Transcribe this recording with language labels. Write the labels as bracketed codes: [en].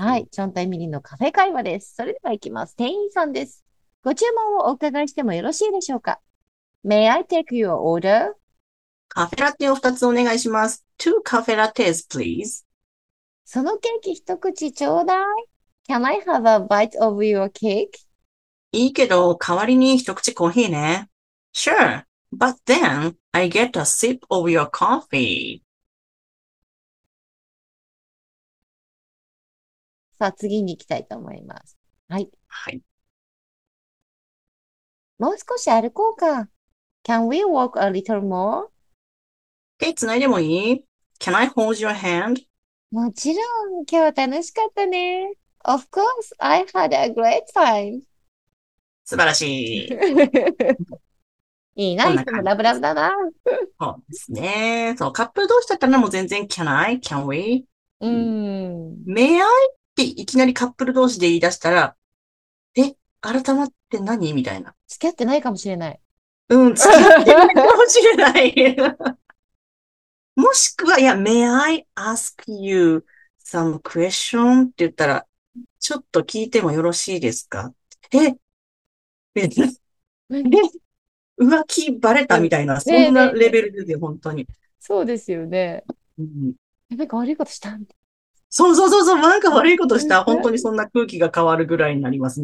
[ja] はい、ジョンとエミリーのカフェ会話です。それでは行きます。店員さんです。ご注文をお伺いしてもよろしいでしょうか ? [en] May I take your order? [ja] カフェラテを2つお願いします。2 カフェラテ s please. そのケーキ一口ちょうだい。 [en] Can I have a bite of your cake? [ja] いいけど、代わりに一口コーヒーね。 [en] Sure, but then I get a sip of your coffee. [ja] さあ、次に行きたいと思います。はい。はい。もう少し歩こうか。 [en] Can we walk a little more? [ja] 手つないでもいい？ [en] Can I hold your hand? [ja] もちろん、今日は楽しかったね。 [en] Of course, I had a great time. [ja] 素晴らしい。いいな、いつもラブラブだな。そうですね。そう、カップ同士だったらもう全然 can I, can we? うん。 May I っていきなりカップル同士で言い出したら、改まって何みたいな。付き合ってないかもしれない。うん、付き合ってないかもしれない。もしくは、いや、 [en] May I ask you some question? [ja] って言ったら、ちょっと聞いてもよろしいですか？え？浮気バレたみたいな、そんなレベルで、本当に。そうですよね。うん、なんか悪いことしたみたいな。そうそうそうそう、なんか悪いことした。本当にそんな空気が変わるぐらいになります。